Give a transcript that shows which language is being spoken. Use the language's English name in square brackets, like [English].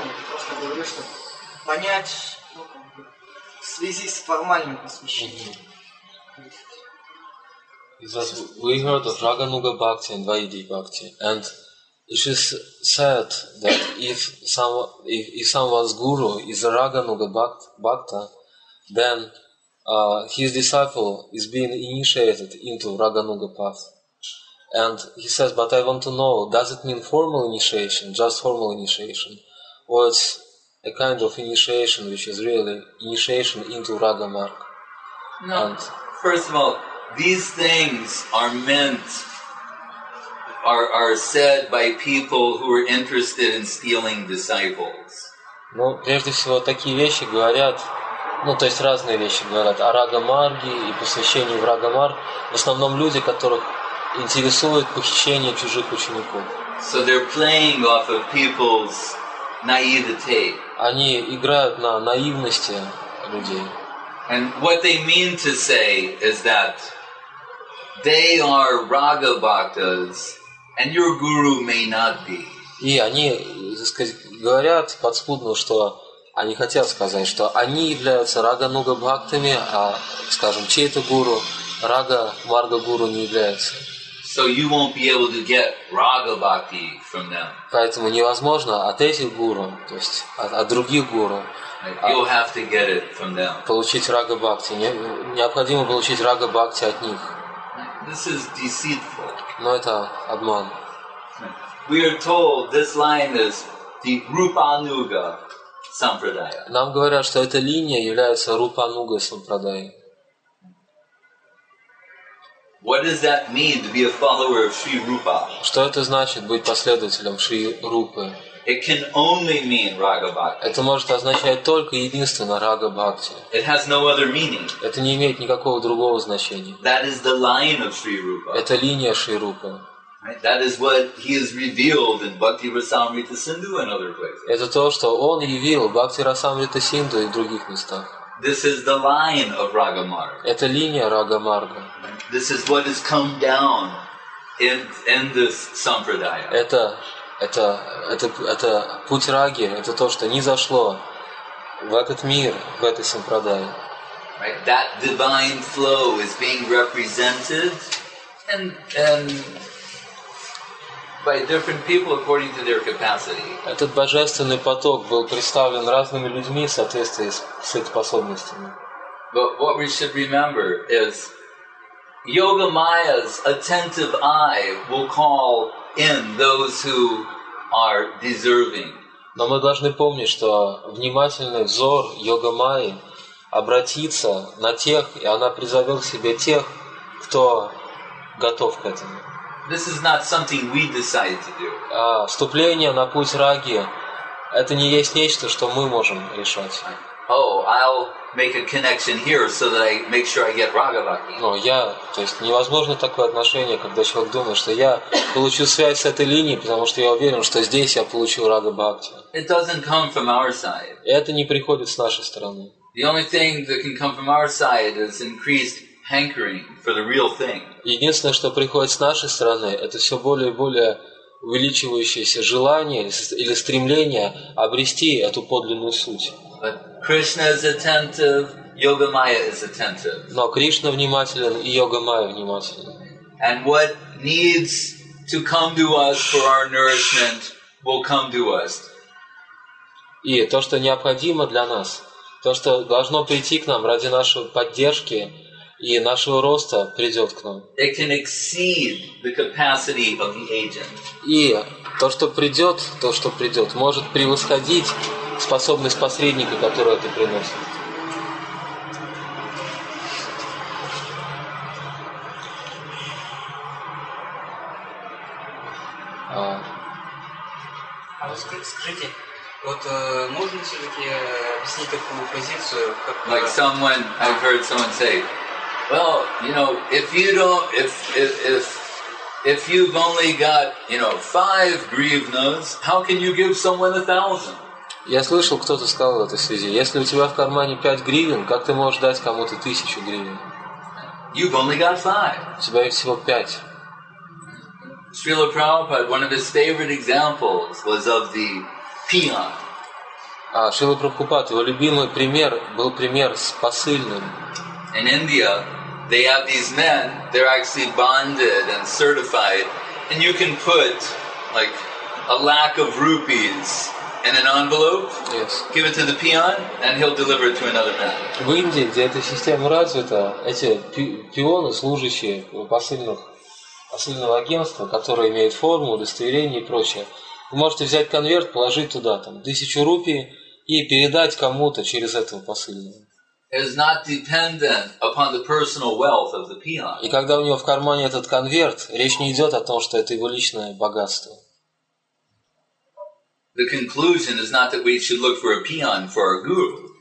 [Russian] Просто говорю, что понять в связи с формальным посвящением. [English] That we heard of Rāganuga Bhakti and Vaidhi Bhakti, and it is said that if someone's guru is a Rāganuga Bhakta, then his disciple is being initiated into Rāganuga path. And he says, but I want to know, does it mean formal initiation, just formal initiation, or it's a kind of initiation which is really initiation into Rāgamarg? No. And first of all, these things are meant, are said by people who are interested in stealing disciples. [Russian] Ну, прежде всего, такие вещи говорят, то есть разные вещи говорят о Рагамарге и посвящении в Рагамарг. В основном люди, которых интересует похищение чужих учеников. [English] So they're playing off of people's naivete. [Russian] Они играют на наивности людей. [English] And what they mean to say is that they are raga bhaktas, and your guru may not be. [Russian] И они, так сказать, говорят подспудно, что они хотят сказать, что они являются рага-нуга бхактами, а, скажем, чей-то гуру рага-марга гуру не является. [English] So you won't be able to get raga bhakti from them. [Russian] Поэтому невозможно от этих гуру, то есть от других гуру. [English] You'll have to get it from them. [Russian] Получить рага бхакти. Необходимо получить рага бхакти от них. [English] This is deceitful. [Russian] Но это обман. [English] We are told this line is the Rupanuga Sampradaya. [Russian] Нам говорят, что эта линия является Рупануга Сампрадай. [English] What does that mean to be a follower of Sri Rupa? [Russian] Что это значит быть последователем Шри Рупы? [English] It can only mean raga bhakti. [Russian] Это может означать только единственно рага бхакти. [English] It has no other meaning. [Russian] Это не имеет никакого другого значения. [English] That is the line of Sri Rupa. [Russian] Это линия Шри Рупы. [English] That is what he has revealed in Bhakti Rasamrita Sindhu and other places. [Russian] Это то, что он явил в Бхакти Расамрита Синдху и других местах. [English] This is the line of raga marga. [Russian] Это линия рага марга. [English] This is what has come down in this sampradaya. [Russian] Это путь Раги, это то, что не зашло в этот мир, в этой сампрадае. [English] Right, that divine flow is being represented and by different people according to their capacity. [Russian] Этот божественный поток был представлен разными людьми в соответствии с их способностями. [English] But what we should remember is Yoga Maya's attentive eye will call in those who are deserving. [Russian] Но мы должны помнить, что внимательный взор Йога Майи обратится на тех, и она призовет к себе тех, кто готов к этому. [English] This is not something we decide to do. [Russian] Вступление на путь Раги – это не есть нечто, что мы можем решать. [English] Oh, I'll make a connection here so that I make sure I get Raga Bhakti. [Russian] То есть невозможно такое отношение, когда человек думает, что я получу связь с этой линией, потому что я уверен, что здесь я получу Рага Бхакти. [English] It doesn't come from our side. [Russian] Это не приходит с нашей стороны. [English] The only thing that can come from our side is increased hankering for the real thing. [Russian] Единственное, что приходит с нашей стороны, это все более и более увеличивающееся желание или стремление обрести эту подлинную суть. [English] Krishna is attentive, Yoga Maya is attentive. [Russian] Но Кришна внимателен и Йога Майя внимателен. [English] And what needs to come to us for our nourishment will come to us. [Russian] И то, что необходимо для нас, То, что должно прийти к нам ради нашей поддержки и нашего роста, придет к нам. [English] It can exceed the capacity of the agent. [Russian] И то, что придет, может превосходить способность посредника, которую это приносит. Скажите, вот можно все-таки объяснить такую позицию, как... [English] Like someone, I've heard someone say, well, you know, if you don't, if you've only got, you know, five grivnas, how can you give someone 1,000? [Russian] Я слышал, кто-то сказал в этой связи, если у тебя в кармане 5 гривен, как ты можешь дать кому-то 1,000 гривен? [English] You've only got five. [Russian] У тебя их всего 5. [English] Srila Prabhupada, one of his favorite examples was of the peon. [Russian] Srila Prabhupada, его любимый пример был пример с посыльным. [English] In India, they have these men, they're actually bonded and certified, and you can put like a lakh of rupees in an envelope, yes, give it to the peon, and he'll deliver it to another man. [Russian] В Индии, где эта система развита, эти пионы, служащие посыльных, посыльного агентства, которое имеет форму, удостоверение и прочее. Вы можете взять конверт, положить туда там 1,000 рупий и передать кому-то через этого посыльного. [English] It is not dependent upon the personal wealth of the peon. [Russian] И когда у него в кармане этот конверт, речь не идет о том, что это его личное богатство. [English] The conclusion is not that we should look for a peon for our guru.